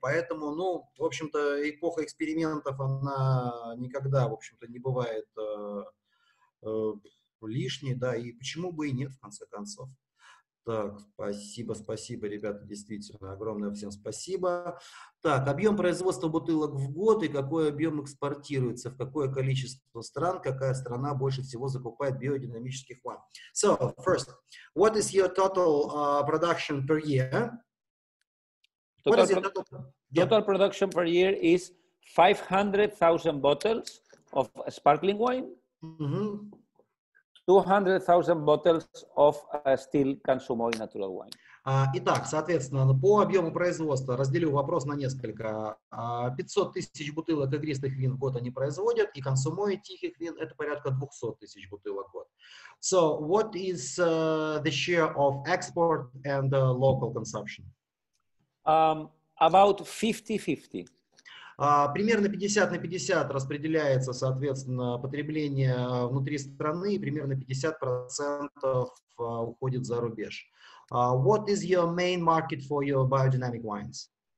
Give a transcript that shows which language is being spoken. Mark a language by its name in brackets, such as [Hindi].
[Russian] Поэтому, ну, в общем-то, эпоха экспериментов, она никогда, в общем-то, не бывает лишней, да, и почему бы и нет, в конце концов. Так, спасибо, ребята, действительно, огромное всем спасибо. Так, объем производства бутылок в год и какой объем экспортируется, в какое количество стран, какая страна больше всего закупает биодинамических вин. [English] So, first, what is your total production per year? Total production per year is 500,000 bottles of sparkling wine. Mm-hmm. 200,000 bottles of still consumable natural wine. [Russian] Итак, соответственно, по объему производства разделю вопрос на несколько. 500 тысяч бутылок игристых вин в год они производят, и консумои тихих вин – это порядка 200 тысяч бутылок в год. [English] So, what is the share of export and local consumption? About 50-50. [Russian] Примерно 50 на 50 распределяется, соответственно, потребление внутри страны, и примерно 50% уходит за рубеж. [English] What is your main market for your biodynamic wines?